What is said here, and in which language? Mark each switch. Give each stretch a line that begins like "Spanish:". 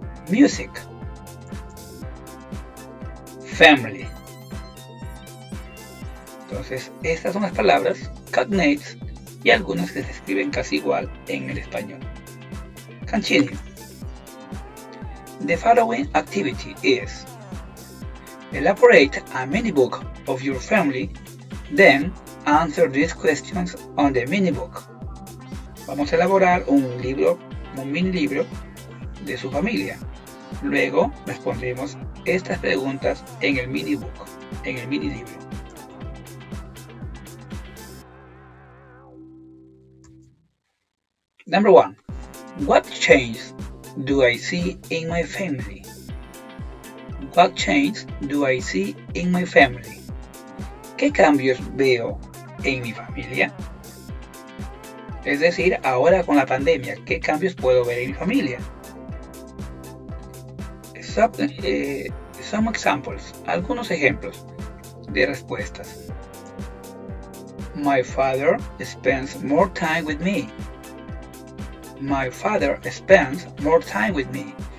English: Music. Family.
Spanish: Entonces, estas son las palabras cognates y algunas que se escriben casi igual en el español.
English: Continue. The following activity is: elaborate a mini book of your family, then answer these questions on the mini book.
Spanish: Vamos a elaborar un libro, un mini libro de su familia. Luego respondemos estas preguntas en el mini book, en el mini libro.
English: Number one, what change do I see in my family? What change do I see in my family?
Spanish: ¿Qué cambios veo en mi familia? Es decir, ahora con la pandemia, ¿qué cambios puedo ver en mi familia?
English: Some examples,
Spanish: algunos ejemplos de respuestas.
English: My father spends more time with me. My father spends more time with me.